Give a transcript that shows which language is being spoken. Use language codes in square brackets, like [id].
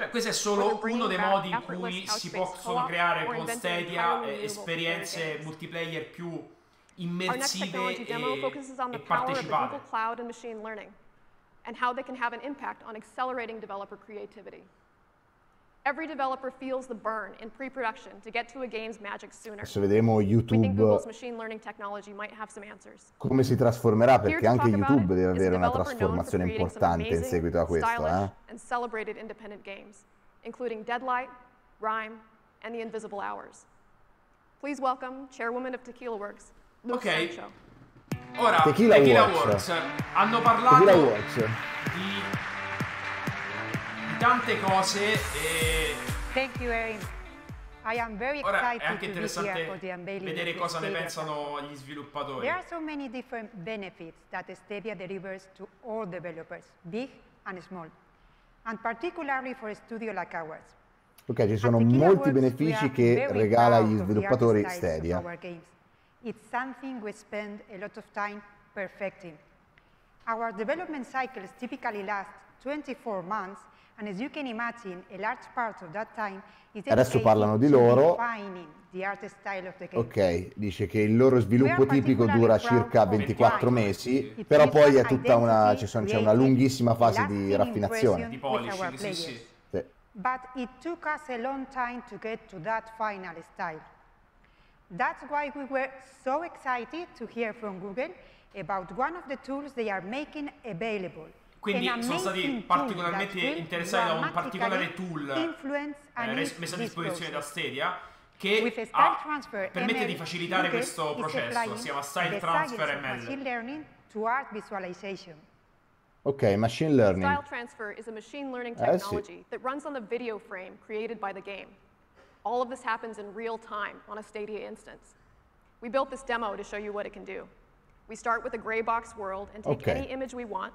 [it] Cioè, questo è solo uno dei modi in cui si possono creare con Stadia esperienze multiplayer più immersive e partecipate. [en] Google Cloud and machine learning and how they can have an impact on accelerating developer creativity. Every developer feels the burn in pre-production to get to a game's magic sooner. [it] Adesso vedremo YouTube. [en] Google's machine learning technology might have some answers. [it] Come si trasformerà, perché anche YouTube deve avere una trasformazione importante in seguito a questo, eh? [en] And celebrated independent games, including Deadlight, Rhyme and The Invisible Hours. Please welcome Chairwoman of Tequila Works. [it] Ok, ora Tequila Works hanno parlato di tante cose e [en] thank you, Erin. I am very [it] ora [en] excited [it] è anche interessante [en] to be here for the [it] vedere cosa ne pensano gli sviluppatori. [en] There are so many different benefits that Stadia delivers to all developers, big and small, and particularly for a studio like ours. [it] Ok, ci sono molti benefici che regala agli sviluppatori Stadia. [en] It's something we spend a lot of time perfecting. Our development cycles typically last 24 months, and as you can imagine, a large part of that time is dedicated to refining the art style of the game. [it] Ok, dice che il loro sviluppo tipico dura circa 24 mesi, però poi è tutta una, c'è una lunghissima fase di raffinazione. Di polishing, sì, sì. [en] But it took us a long time to get to that final style. That's why we were so excited to hear from Google about one of the tools they are making available. [it] Quindi sono stati particolarmente interessati da un particolare tool messo a disposizione da Stadia che permette di facilitare questo processo, si chiama Style Transfer ML. [en] Machine learning to art visualization. [it] Ok, machine learning. [en] Style Transfer is a machine learning technology that runs on the video frame created by the game. All of this happens in real time on a Stadia instance. We built this demo to show you what it can do. We start with a gray box world and take any image we want.